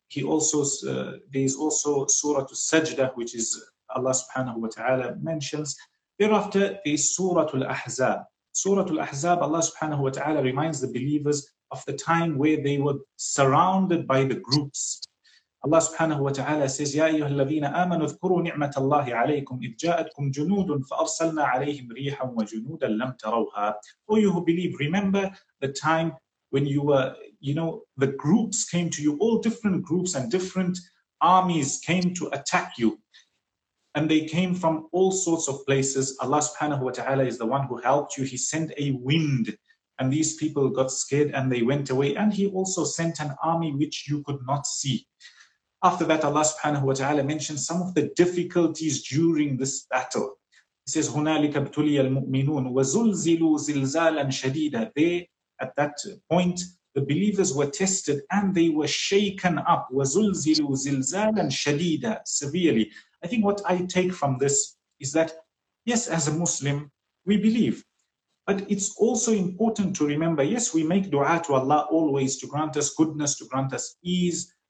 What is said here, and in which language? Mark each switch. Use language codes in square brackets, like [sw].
[en] He also, there's also Surah Al-Sajdah, which is Allah subhanahu wa ta'ala mentions. Thereafter, there's Surah Al-Ahzab. Surah Al-Ahzab, Allah subhanahu wa ta'ala reminds the believers of the time where they were surrounded by the groups. [ar] Allah subhanahu wa ta'ala says, يَا أَيُّهَا الَّذِينَ آمَنُوا اذْكُرُوا نِعْمَةَ اللَّهِ عَلَيْكُمْ إِذْ جَاءَتْكُمْ جُنُودٌ فَأَرْسَلْنَا عَلَيْهِمْ رِيحًا وَجُنُودًا لَمْ تَرَوْهَا. [en] O you who believe, remember the time when you were, you know, the groups came to you, all different groups and different armies came to attack you. And they came from all sorts of places. Allah subhanahu wa ta'ala is the one who helped you. He sent a wind and these people got scared and they went away. And He also sent an army which you could not see. After that, Allah subhanahu wa ta'ala mentions some of the difficulties during this battle. He says, [ar] هُنَالِكَ بْتُلِيَ الْمُؤْمِنُونَ وَزُلْزِلُوا زِلْزَالًا شَدِيدًا. [en] They, at that point, the believers were tested and they were shaken up. [ar] وَزُلْزِلُوا زِلْزَالًا شَدِيدًا. [en] Severely. I think what I take from this is that, yes, as a Muslim, we believe. But it's also important to remember, yes, we make dua to Allah always to grant us goodness, to grant us ease,